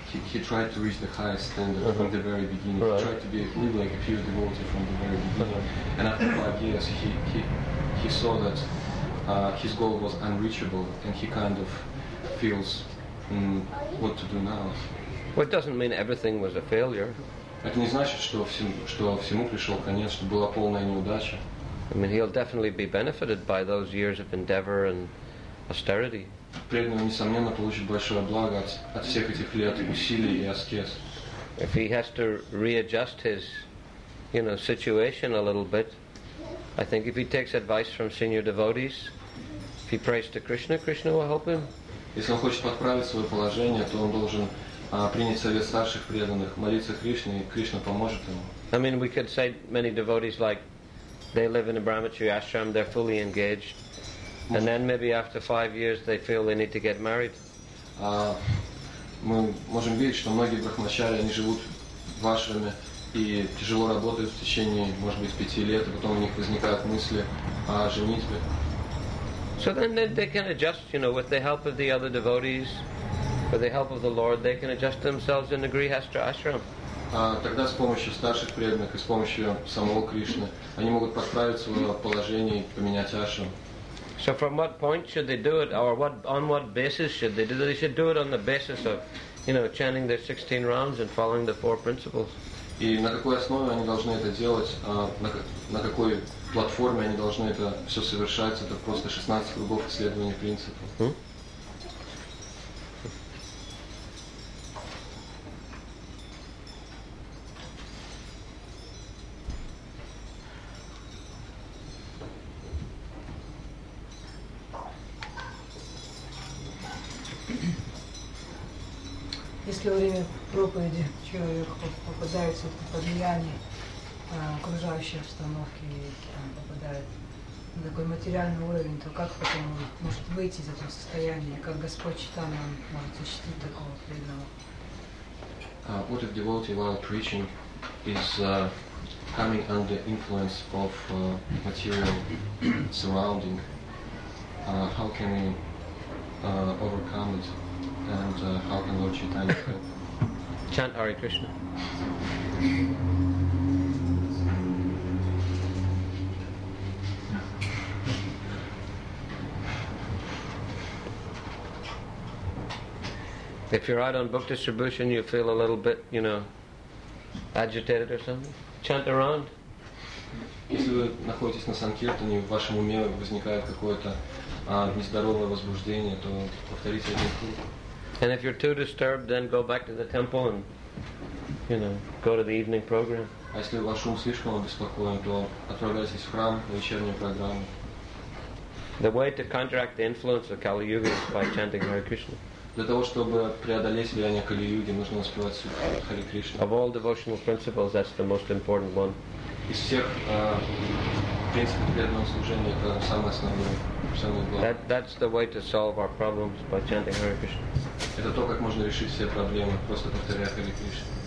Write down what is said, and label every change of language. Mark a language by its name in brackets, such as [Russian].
[English] He tried to reach the highest standard from the very beginning. Right. He tried to live like a pure devotee from the very beginning. Uh-huh. And after 5 years, he saw that his goal was unreachable, and he kind of feels what to do now. Well, it doesn't mean everything was a failure. [Russian] Это не значит, что всему пришел конец, что была полная неудача. [English] I mean, he'll definitely be benefited by those years of endeavor and austerity. [Russian] Преданный несомненно получит большое благо от всех этих лет усилий и аскез. [English] If he has to readjust his, you know, situation a little bit, I think if he takes advice from senior devotees, if he prays to Krishna, Krishna will help him. [Russian] Если он хочет подправить свое положение, то он должен принять совет старших преданных, молиться Кришне, и Кришна поможет ему. [English] I mean, we could say many devotees like. They live in a brahmachari ashram, they're fully engaged. And then maybe after 5 years they feel they need to get married. [Russian] Мы можем видеть, что многие брахмачари, они живут в ашраме и тяжело работают в течение, может быть, 5 лет, а потом у них возникают мысли о женитьбе. [English] So then they can adjust, you know, with the help of the other devotees, with the help of the Lord, they can adjust themselves in the grihastha ashram. [Russian] Тогда с помощью старших преданных и с помощью самого Кришны они могут подправить свое положение и поменять ашрам. [English] So from what point should they do it, or on what basis should they do it? They should do it on the basis of, you know, chanting their 16 rounds and following the four principles. [Russian] И на какой основе они должны это делать? На какой платформе они должны это все совершать? Это просто 16 кругов исследования принципов. Если во время проповеди человек попадается под влияние окружающей обстановки и там попадает на такой материальный уровень, то как потом он может выйти из этого состояния? Как Господь Чайтанья может защитить такого преданного? [English] What if devotee while preaching is coming under influence of material surrounding? How can he overcome it, and how can Lord Chaitanya help? Chant Hare Krishna. If you're out on book distribution, you feel a little bit, you know, agitated or something, chant around. [Russian] Если вы находитесь на санкиртане, в вашем уме возникает какое-то нездоровое возбуждение, то повторите один круг. [English] And if you're too disturbed, then go back to the temple and, you know, go to the evening program. [Russian] А если ваш ум слишком обеспокоен, то отправляйтесь в храм на вечернюю программу. [English] The way to counteract the influence of Kali Yuga is by chanting Hare Krishna. [Russian] Для того, чтобы преодолеть влияние Кали-юги, нужно воспевать Сутру Хари Кришна. [English] Of all devotional principles, that's the most important one. [Russian] Из всех принципов преданного служения, это самое основное, самое главное. [English] That's the way to solve our problems by chanting Hare Krishna. [Russian] Это то, как можно решить все проблемы, просто повторяя Хари Кришна.